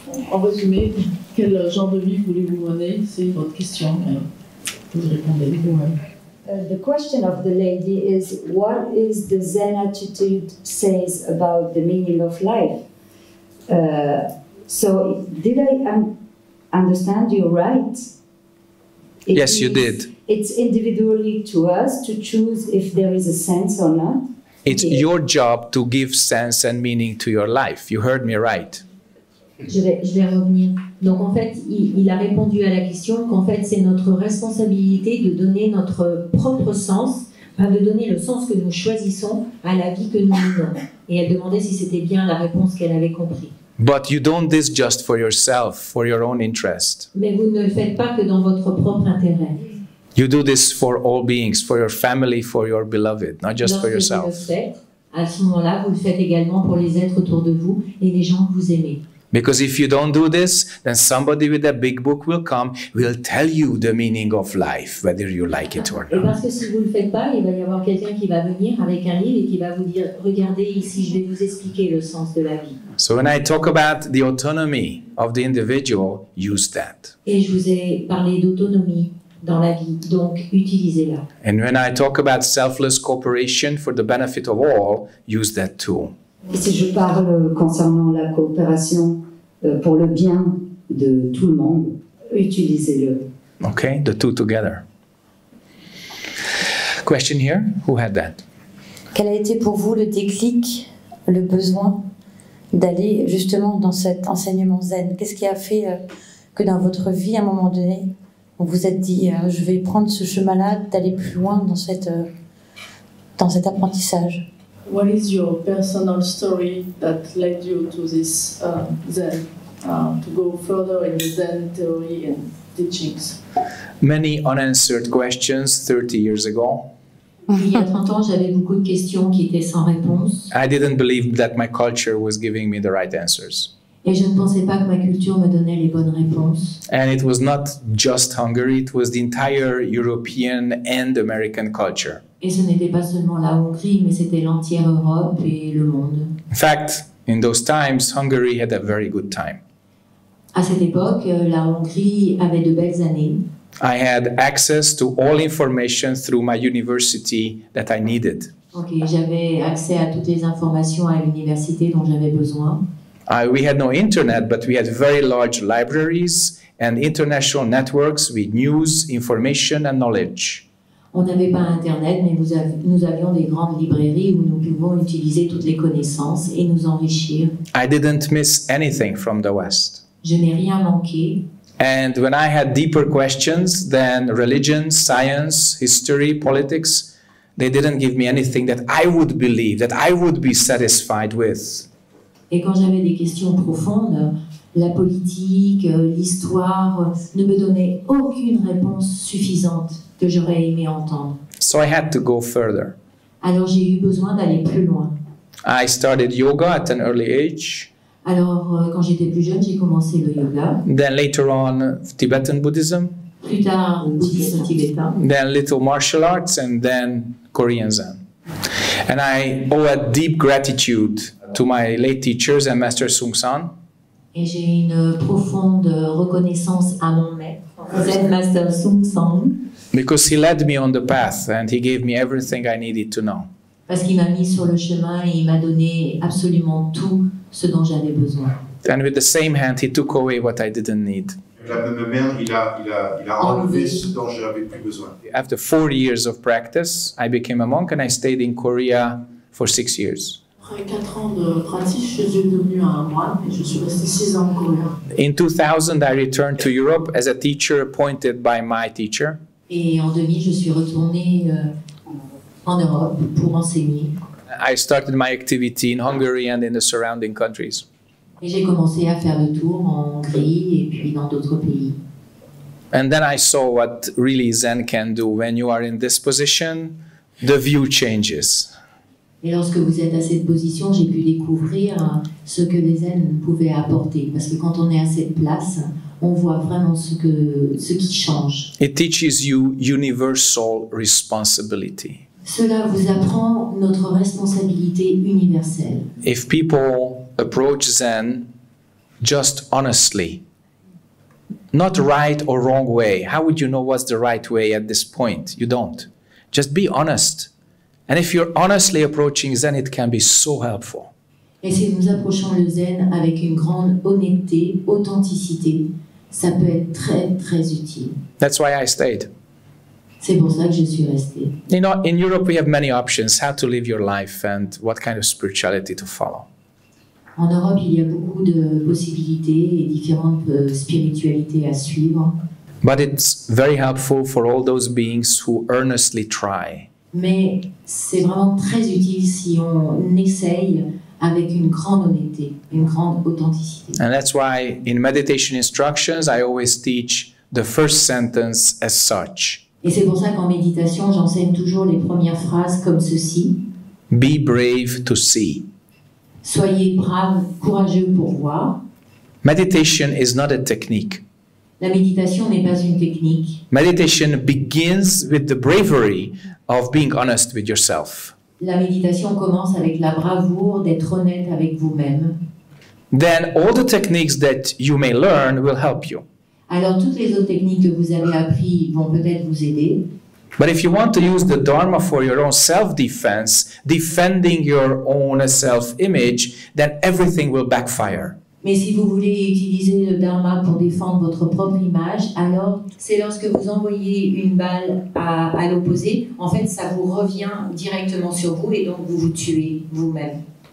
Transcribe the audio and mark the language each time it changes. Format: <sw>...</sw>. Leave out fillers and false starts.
<fr>En résumé, quel genre de vie voulez-vous mener? C'est votre question. Vous répondez vous-même.</fr> <en>The question of the lady is, what is the Zen attitude says about the meaning of life? So, did I understand you right? Yes, you did. It's individually to us to choose if there is a sense or not. It's your job to give sense and meaning to your life. You heard me right.</en> <fr>Je vais revenir. Donc en fait, il a répondu à la question qu'en fait, c'est notre responsabilité de donner notre propre sens, enfin de donner le sens que nous choisissons à la vie que nous vivons. Et elle demandait si c'était bien la réponse qu'elle avait compris.</fr> <en>But you don't this just for yourself, for your own interest.</en> <fr>Mais vous ne le faites pas que dans votre propre intérêt.</fr> <en>You do this for all beings, for your family, for your beloved, not just for yourself.</en> <fr>À ce moment-là, vous le faites également pour les êtres autour de vous et les gens que vous aimez.</fr> <en>Because if you don't do this, then somebody with a big book will come, will tell you the meaning of life, whether you like it or not.</en> <fr>Et parce que si vous le faites pas, il va y avoir quelqu'un qui va venir avec un livre et qui va vous dire, regardez ici, je vais vous expliquer le sens de la vie.</fr> <en>So when I talk about the autonomy of the individual, use that.</en> <fr>Et je vous ai parlé d'autonomie dans la vie, donc utilisez-la.</fr> <en>And when I talk about selfless cooperation for the benefit of all, use that too.</en> <fr>Et si je parle concernant la coopération pour le bien de tout le monde, utilisez-le.</fr> <en>Okay, the two together. Question here, who had that?</en> <fr>Quel a été pour vous le déclic, le besoin d'aller justement dans cet enseignement zen? Qu'est-ce qui a fait que dans votre vie, à un moment donné, vous vous êtes dit, je vais prendre ce chemin-là, d'aller plus loin dans cet apprentissage?</fr> <en>What is your personal story that led you to this Zen, to go further in Zen theory and teachings? Many unanswered questions 30 years ago.</en> <fr>Il y a 30 ans, j'avais beaucoup de questions qui étaient sans réponse.</fr> <en>I didn't believe that my culture was giving me the right answers.</en> <fr>Et je ne pensais pas que ma culture me donnait les bonnes réponses.</fr> <en>And it was not just Hungary, it was the entire European and American culture.</en> <fr>Et ce n'était pas seulement la Hongrie, mais c'était l'entière Europe et le monde.</fr> <en>In fact, in those times, Hungary had a very good time.</en> <fr>À cette époque, la Hongrie avait de belles années.</fr> <en>I had access to all information through my university that I needed.</en> <fr>Okay, j'avais accès à toutes les informations à l'université dont j'avais besoin.</fr> <en>We had no internet, but we had very large libraries and international networks with news, information and knowledge.</en> <fr>On n'avait pas internet, mais nous avions des grandes librairies où nous pouvons utiliser toutes les connaissances et nous enrichir.</fr> <en>I didn't miss anything from the West.</en> <fr>Je n'ai rien manqué.</fr> <en>And when I had deeper questions than religion, science, history, politics, they didn't give me anything that I would believe, that I would be satisfied with.</en> <fr>Et quand j'avais des questions profondes, la politique, l'histoire ne me donnaient aucune réponse suffisante que j'aurais aimé entendre.</fr> <en>So I had to go further.</en> <fr>Alors j'ai eu besoin d'aller plus loin.</fr> <en>I started yoga at an early age.</en> <fr>Alors quand j'étais plus jeune, j'ai commencé le yoga.</fr> <en>Then later on, Tibetan Buddhism.</en> <fr>Plus tard, le bouddhisme tibétain.</fr> <en>Then little martial arts and then Korean Zen. And I owe a deep gratitude to my late teachers and Master Sung San.</en> <fr>Et j'ai une profonde reconnaissance à mon maître, Zen Master Sung San.</fr> <en>Because he led me on the path and he gave me everything I needed to know.</en> <fr>Parce qu'il m'a mis sur le chemin et il m'a donné absolument tout ce dont j'avais besoin.</fr> <en>And with the same hand, he took away what I didn't need.</en> <fr>La même main, il a enlevé ce dont j'avais plus besoin.</fr> <en>After 4 years of practice, I became a monk and I stayed in Korea for 6 years.</en> <fr>Après 4 ans de pratique, je suis devenu un moine et je suis resté 6 ans en Corée.</fr> <en>In 2000, I returned to Europe as a teacher appointed by my teacher.</en> <fr>Et en 2000, je suis retourné en Europe pour enseigner.</fr> <en>I started my activity in Hungary and in the surrounding countries.</en> <fr>Et j'ai commencé à faire le tour en Hongrie et puis dans d'autres pays.</fr> <en>And then I saw what really Zen can do. When you are in this position, the view changes.</en> <fr>Et lorsque vous êtes à cette position, j'ai pu découvrir ce que les Zen pouvaient apporter. Parce que quand on est à cette place, on voit vraiment ce qui change.</fr> <en>It teaches you universal responsibility.</en> <fr>Cela vous apprend notre responsabilité universelle.</fr> <en>If people approach Zen just honestly, not right or wrong way, how would you know what's the right way at this point? You don't. Just be honest. And if you're honestly approaching Zen, it can be so helpful.</en> <fr>Et si nous approchons le Zen avec une grande honnêteté, authenticité, ça peut être très, très utile.</fr> <en>That's why I stayed.</en> <fr>C'est pour ça que je suis restée.</fr> <en>You know, in Europe, we have many options, how to live your life and what kind of spirituality to follow.</en> <fr>En Europe, il y a beaucoup de possibilités et différentes spiritualités à suivre.</fr> <en>But it's very helpful for all those beings who earnestly try.</en> <fr>Mais c'est vraiment très utile si on essaye avec une grande honnêteté, une grande authenticité.</fr> <en>And that's why in meditation instructions, I always teach the first sentence as such.</en> <fr>Et c'est pour ça qu'en méditation, j'enseigne toujours les premières phrases comme ceci.</fr> <en>Be brave to see.</en> <fr>Soyez brave, courageux pour voir.</fr> <en>Meditation is not a technique.</en> <fr>La méditation n'est pas une technique.</fr> <en>Meditation begins with the bravery of being honest with yourself.</en> <fr>La méditation commence avec la bravoure d'être honnête avec vous-même.</fr> <en>Then all the techniques that you may learn will help you.</en> <fr>Alors toutes les autres techniques que vous avez apprises vont peut-être vous aider.</fr> <en>But if you want to use the Dharma for your own self-defense, defending your own self-image, then everything will backfire.</en> <fr>Mais si vous voulez utiliser le Dharma pour défendre votre propre image, alors c'est lorsque vous envoyez une balle à l'opposé, en fait, ça vous revient directement sur vous et donc vous vous tuez vous-même.</fr>